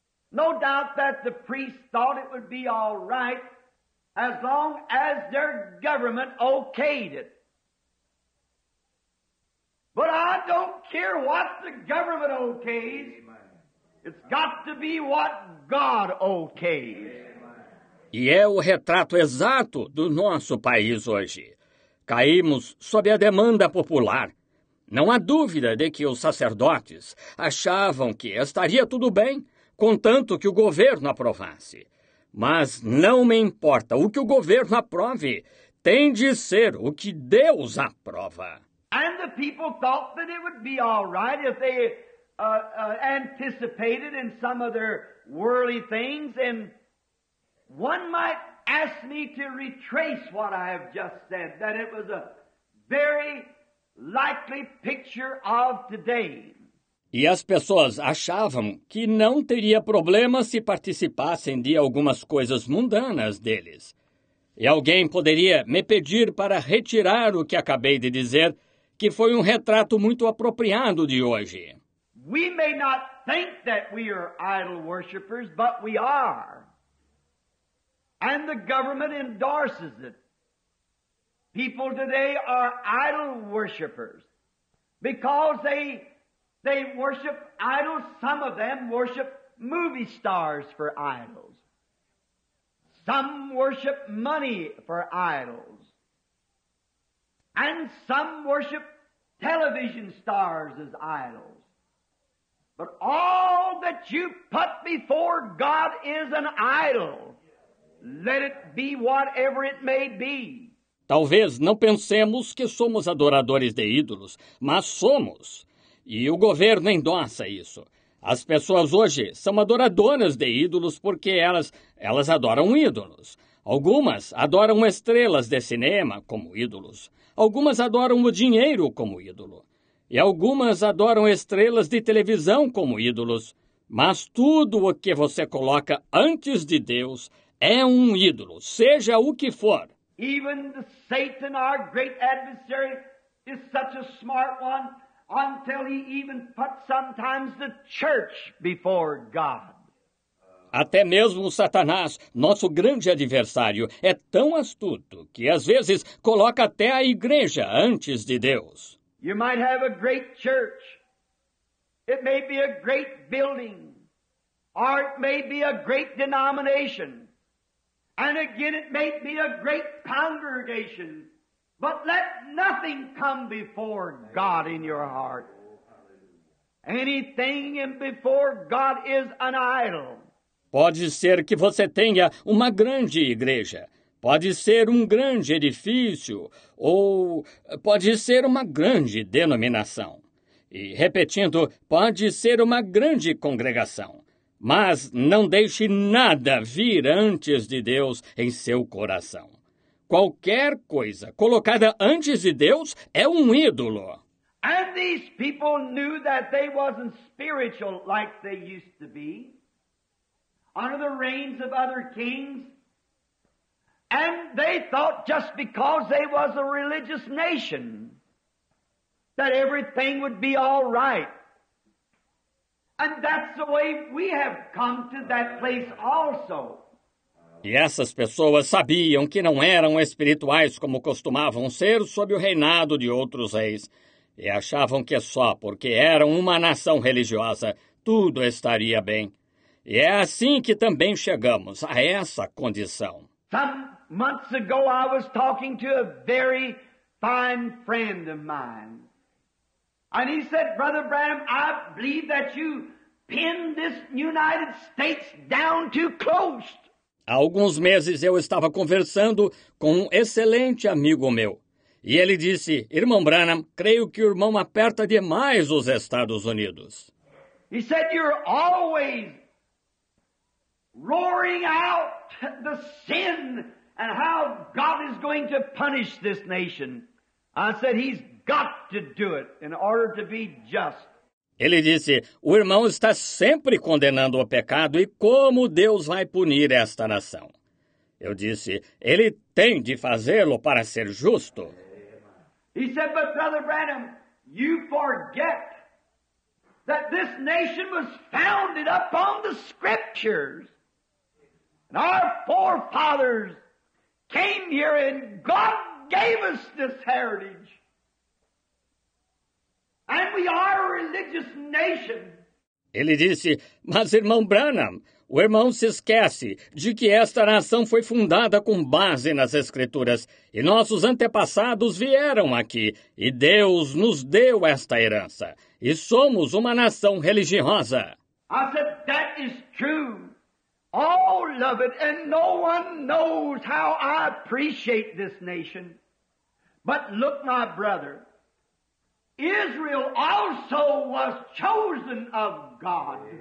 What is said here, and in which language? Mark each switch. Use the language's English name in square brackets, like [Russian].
[English] No doubt that the priests thought it would be all right as long as their government okayed it. But I don't care what the government okays. It's got to be what God okays. [Portuguese] E é o retrato exato do nosso país hoje. Caímos sob a demanda popular. Não há dúvida de que os sacerdotes achavam que estaria tudo bem, contanto que o governo aprovasse. Mas não me importa o que o governo aprove, tem de ser o que Deus aprova. [English] And the people thought that it would be all right if they anticipated in some of their worldly things. And one might ask me to retrace what I have just said, that it was a very likely picture of today. [Portuguese] E as pessoas achavam que não teria problema se participassem de algumas coisas mundanas deles. E alguém poderia me pedir para retirar o que acabei de dizer, que foi um retrato muito apropriado de hoje. [English] We may not think that we are idol worshippers, but we are. And the government endorses it. People today are idol worshippers because they worship idols. Some of them worship movie stars for idols. Some worship money for idols. And some worship television stars as idols. But all that you put before God is an idol. Let it be whatever it may be. [Portuguese] Talvez não pensemos que somos adoradores de ídolos, mas somos. E o governo endossa isso. As pessoas hoje são adoradoras de ídolos porque elas adoram ídolos. Algumas adoram estrelas de cinema como ídolos. Algumas adoram o dinheiro como ídolo. E algumas adoram estrelas de televisão como ídolos. Mas tudo o que você coloca antes de Deus é um ídolo, seja o que for. [English] Even the Satan, our great adversary, is such a smart one, until he even put sometimes the church before God. [Portuguese] Até mesmo Satanás, nosso grande adversário, é tão astuto que às vezes coloca até a igreja antes de Deus. [English] You might have a great church. It may be a great building. Or it may be a great denomination. And again, it may be a great congregation, but let nothing come before God in your heart. Anything before God is an idol. [Portuguese] Pode ser que você tenha uma grande igreja, pode ser um grande edifício, ou pode ser uma grande denominação. E, repetindo, pode ser uma grande congregação. Mas não deixe nada vir antes de Deus em seu coração. Qualquer coisa colocada antes de Deus é um ídolo. [English] And these people knew that they wasn't spiritual like they used to be, under the reigns of other kings. And they thought just because they was a religious nation that everything would be all right. And that's the way we have come to that place also. [Portuguese] E essas pessoas sabiam que não eram espirituais como costumavam ser sob o reinado de outros reis. E achavam que só porque eram uma nação religiosa, tudo estaria bem. E é assim que também chegamos a essa condição. [English] Some months ago I was talking to a very fine friend of mine. And he said, Brother Branham, I believe that you pinned this United States down too close. [Portuguese] Há alguns meses eu estava conversando com um excelente amigo meu. E ele disse, Irmão Branham, creio que o irmão aperta demais os Estados Unidos. [English] He said, you're always roaring out the sin and how God is going to punish this nation. I said, he's got to do it in order to be just. [Portuguese] Ele disse, o irmão está sempre condenando o pecado e como Deus vai punir esta nação. Eu disse, ele tem de fazê-lo para ser justo. [English] He said, but Brother Branham, you forget that this nation was founded upon the scriptures. And our forefathers came here and God gave us this heritage. And we are a religious nation. [Portuguese] Ele disse, mas irmão Branham, o irmão se esquece de que esta nação foi fundada com base nas escrituras e nossos antepassados vieram aqui e Deus nos deu esta herança e somos uma nação religiosa. [English] I said, that is true. All of it, and no one knows how I appreciate this nation. But look, my brother, Israel also was chosen of God.